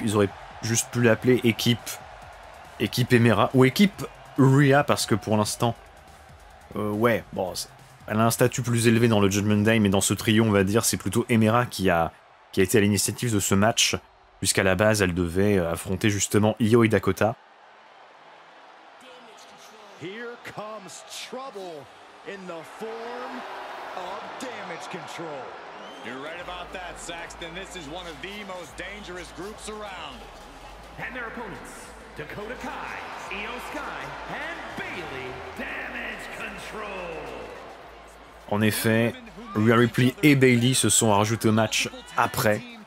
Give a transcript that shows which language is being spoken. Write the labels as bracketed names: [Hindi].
[French] Ils auraient juste pu l'appeler équipe Emera ou équipe Rhea parce que pour l'instant, elle a un statut plus élevé dans le Judgment Day, mais dans ce trio, on va dire, c'est plutôt Emera qui a été à l'initiative de ce match. Puisqu'à la base, elle devait affronter justement Io et Dakota. [English] Here comes trouble in the form of damage control. You're right about that, Saxton. This is one of the most dangerous groups around. And their opponents, Dakota Kai, Io Sky, and Bayley, damage control. [French] En effet, Rhea Ripley et Bayley se sont rajoutés au match après.